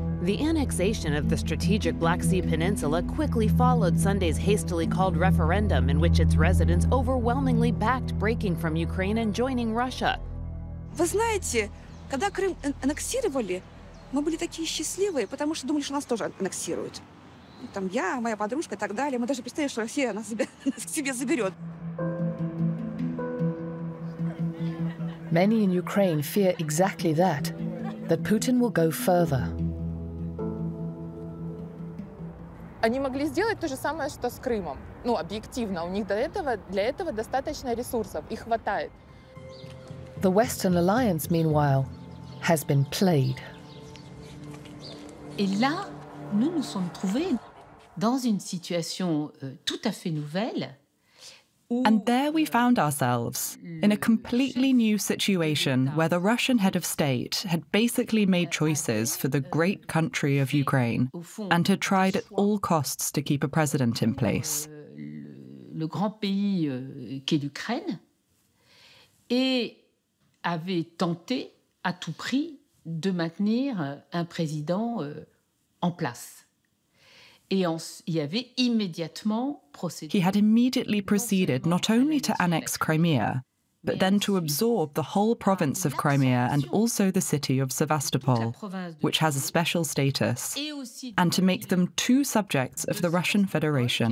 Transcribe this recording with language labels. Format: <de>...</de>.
<en>The annexation of the strategic Black Sea Peninsula quickly followed Sunday's hastily called referendum, in which its residents overwhelmingly backed breaking from Ukraine and joining Russia.</en> <uk>Ви знаєте, коли Крим анексували, ми були такі щасливі, тому що думали, що нас теж анексують. Там я, моя подружка і так далі. Ми навіть представили, що Росія нас к себе заберє.</uk> <en>Many in Ukraine fear exactly that, that Putin will go further.</en> <ru>Они могли сделать то же самое, что с Крымом. Ну, объективно, у них для этого достаточно ресурсов, их хватает.</ru> <en>The Western Alliance, meanwhile, has been played.</en> <fr>Et là, nous nous sommes trouvés dans une situation tout à fait nouvelle.</fr> <en>And there we found ourselves, in a completely new situation where the Russian head of state had basically made choices for the great country of Ukraine and had tried at all costs to keep a president in place.</en> <fr>Le grand pays qu'est l'Ukraine et avait tenté à tout prix de maintenir un président en place.</fr> <en>He had immediately proceeded not only to annex Crimea, but then to absorb the whole province of Crimea and also the city of Sevastopol, which has a special status, and to make them two subjects of the Russian Federation.</en>